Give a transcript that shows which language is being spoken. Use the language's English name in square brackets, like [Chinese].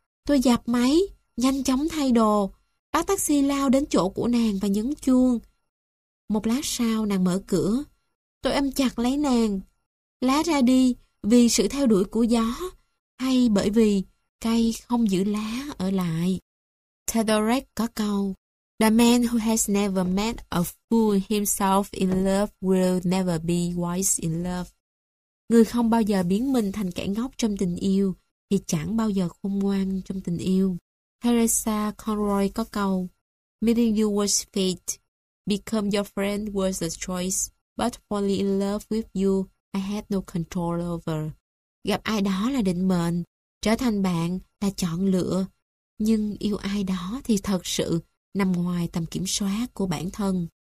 [Vietnamese] Tôi dập máy, nhanh chóng thay đồ. Bắt taxi lao đến chỗ của nàng và nhấn chuông. Một lát sau nàng mở cửa. Tôi ôm chặt lấy nàng. Lá ra đi vì sự theo đuổi của gió, hay bởi vì cây không giữ lá ở lại. [English] Theodoret [Vietnamese] có câu, [English] the man who has never met a fool himself in love will never be wise in love. [Vietnamese] Người không bao giờ biến mình thành kẻ ngốc trong tình yêu thì chẳng bao giờ khôn ngoan trong tình yêu. [English] Teresa Conroy [Vietnamese] có câu, [English] meeting you was fate, become your friend was a choice, but falling in love with you I had no control over. [Vietnamese] Gặp ai đó là định mệnh, trở thành bạn là chọn lựa, nhưng yêu ai đó thì thật sự nằm ngoài tầm kiểm soát của bản thân.